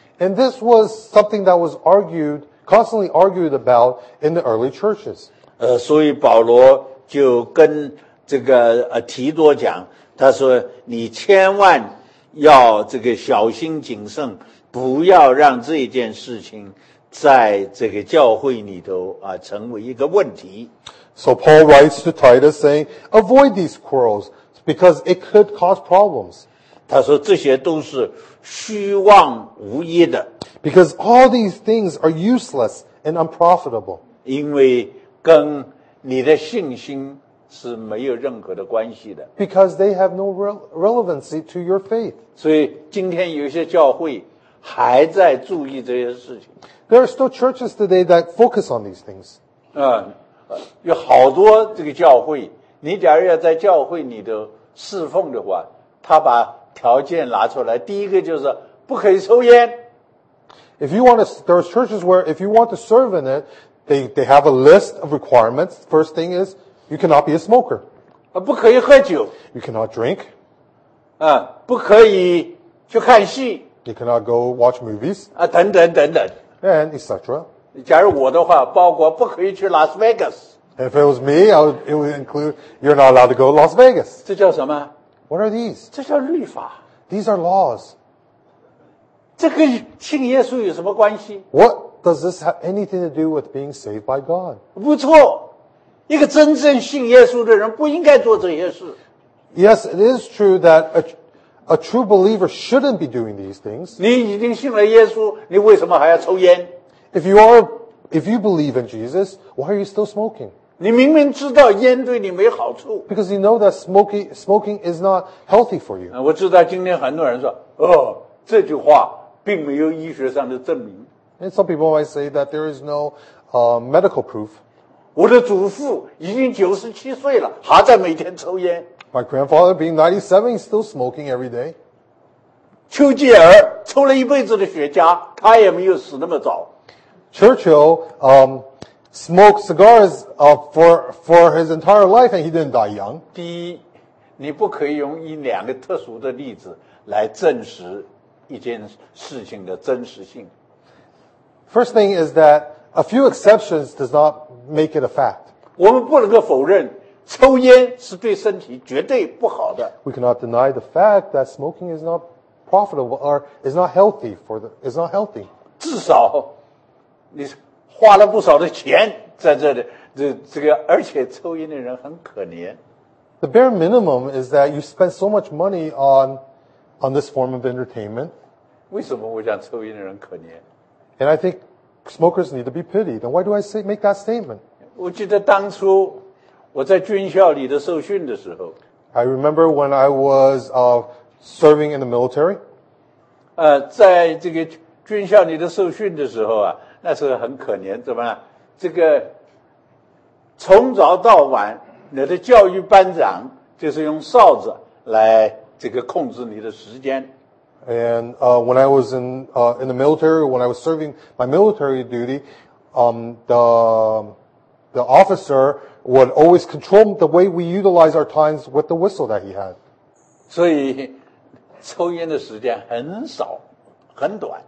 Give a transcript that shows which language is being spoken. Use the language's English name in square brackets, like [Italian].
[English] And this was something that was argued, constantly argued about in the early churches. [Chinese] 所以保罗就跟这个提多讲，他说你千万要这个小心谨慎，不要让这件事情在这个教会里头成为一个问题。 [English] So Paul writes to Titus saying, avoid these quarrels because it could cause problems. [Chinese] 他说这些都是虚妄无益的。 [English] Because all these things are useless and unprofitable. [Chinese] 因为跟你的信心是没有任何的关系的。 [English] Because they have no relevancy to your faith. [Chinese] 所以今天有些教会还在注意这些事情。 [English] There are still churches today that focus on these things. [Chinese] 有好多这个教会，你假如要在教会里头侍奉的话，他把条件拿出来，第一个就是不可以抽烟。 [English] If you want to, there are churches where if you want to serve in it, they have a list of requirements. First thing is you cannot be a smoker. [Chinese] 不可以喝酒。 [English] You cannot drink. [Chinese] 不可以去看戏。 [English] You cannot go watch movies. [Chinese] 等等等等。 [English] And etc. [Chinese] 假如我的话，包括不可以去 Las Vegas。 [English] If it was me, it would include you're not allowed to go to Las Vegas. [Chinese] 这叫什么 [English] ？What are these? [Chinese] 这叫律法。 [English] These are laws. [Chinese] 这跟信耶稣有什么关系 [English] ？What does this have anything to do with being saved by God? [Chinese] 不错，一个真正信耶稣的人不应该做这些事。 [English] Yes, it is true that a true believer shouldn't be doing these things. [Chinese] 你已经信了耶稣，你为什么还要抽烟？ [English] If you believe in Jesus, why are you still smoking? [Chinese] 你明明知道烟对你没好处。 [English] Because you know that smoking is not healthy for you. [Chinese] 我知道今天很多人说，这句话并没有医学上的证明。 [English] And some people might say that there is no, medical proof. [Chinese] 我的祖父已经97岁了，还在每天抽烟。 [English] My grandfather being 97, he's still smoking every day. [Chinese] 丘吉尔抽了一辈子的雪茄，他也没有死那么早。 [English] Churchill smoked cigars for his entire life and he didn't die young. [Chinese] 第一，你不可以用一两个特殊的例子来证实一件事情的真实性。 [English] First thing is that a few exceptions does not make it a fact. [Chinese] 我们不能够否认抽烟是对身体绝对不好的。 [English] We cannot deny the fact that smoking is not profitable or is not healthy is not healthy. [Chinese] 至少你花了不少的钱在这里，这个，而且抽烟的人很可怜。 [English] The bare minimum is that you spend so much money on this form of entertainment. [Chinese] 为什么我讲抽烟的人可怜 [English] ？And I think smokers need to be pitied. And why do I make that statement? [Chinese] 我记得当初我在军校里的受训的时候。 [English] I remember when I was, serving in the military. [Chinese] 在这个军校里的受训的时候啊，那时候很可怜，怎么了？这个从早到晚，你的教育班长就是用哨子来这个控制你的时间。 [English] And, when I was in the military, when I was serving my military duty, the officer would always control the way we utilize our times with the whistle that he had. [Chinese] 所以抽烟的时间很少很短。